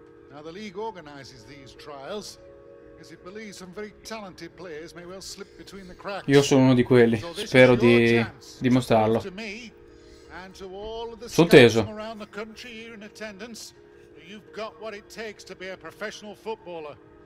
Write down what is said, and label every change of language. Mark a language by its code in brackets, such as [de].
[en] Now the league organizes these trials because it believes some very talented players may well slip between the cracks. [it] Io sono uno di quelli, spero di dimostrarlo. Sono teso. [en] Around the country here in attendance, you've got what it takes to be a professional footballer.